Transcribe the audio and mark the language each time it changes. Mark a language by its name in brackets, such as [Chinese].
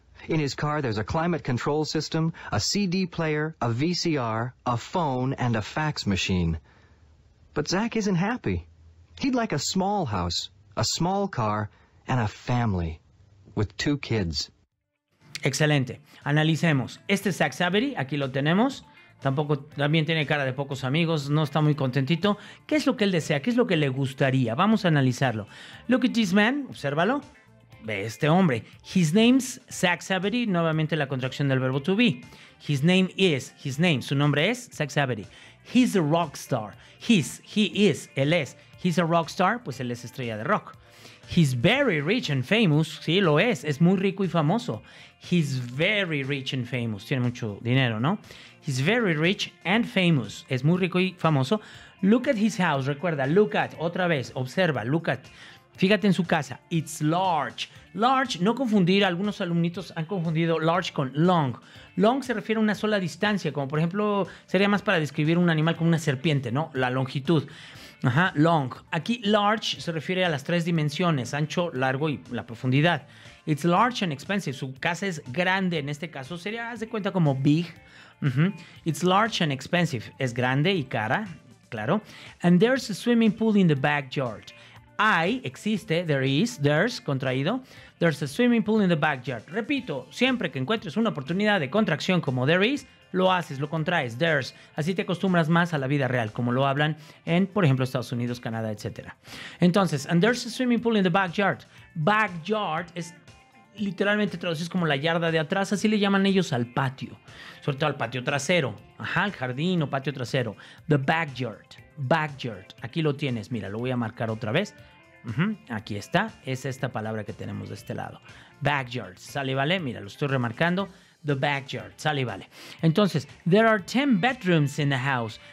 [English] In his car, there's a climate control system, a CD player, a VCR, a phone, and a fax machine. But Zach isn't happy. He'd like a small house, a small car, and a family with two kids. [Spanish] Excelente. Analicemos. Este es Zach Zebedee. Aquí lo tenemos. Tampoco, también tiene cara de pocos amigos. No está muy contentito. ¿Qué es lo que él desea? ¿Qué es lo que le gustaría? Vamos a analizarlo. [English] Look at this man. [Spanish] Obsérvalo. Ve este hombre. [English] His name's Zach Zebedee. [Spanish] Nuevamente la contracción del verbo to be. His name is. His name. Su nombre es Zach Zebedee. [English] He's a rock star. He's. He is. [Spanish] Él es. [English] He's a rock star. [Spanish] Pues él es estrella de rock. [English] He's very rich and famous. [Spanish] Sí, lo es. Es muy rico y famoso. [English] He's very rich and famous. [Spanish] Tiene mucho dinero, ¿no? [English] He's very rich and famous. [Spanish] Es muy rico y famoso. [English] Look at his house. [Spanish] Recuerda, look at. Otra vez, observa, look at. Fíjate en su casa. [English] It's large. [Spanish] Large, no confundir. Algunos alumnitos han confundido large con long. Long se refiere a una sola distancia. Como por ejemplo, sería más para describir un animal como una serpiente, ¿no? La longitud. Ajá, long. Aquí large se refiere a las tres dimensiones, ancho, largo y la profundidad. [English] It's large and expensive. [Spanish] Su casa es grande. En este caso sería, haz de cuenta, como big. Uh-huh. [English] It's large and expensive. [Spanish] Es grande y cara, claro. [English] And there's a swimming pool in the backyard. [Spanish] Hay, existe, [English] there is, there's, contraído. There's a swimming pool in the backyard. [Spanish] Repito, siempre que encuentres una oportunidad de contracción como there is, lo haces, lo contraes, there's. Así te acostumbras más a la vida real, como lo hablan en, por ejemplo, Estados Unidos, Canadá, etc. [English] Entonces, and there's a swimming pool in the backyard. [Spanish] Backyard es, literalmente traducido, como la yarda de atrás. Así le llaman ellos al patio. Sobre todo al patio trasero. Ajá, al jardín o patio trasero. The backyard. Backyard. Aquí lo tienes. Mira, lo voy a marcar otra vez. Aquí está. Es esta palabra que tenemos de este lado. Backyard. Sale, vale. Mira, lo estoy remarcando. The backyard. Sale, vale. [English] Entonces, there are 10 bedrooms in the house.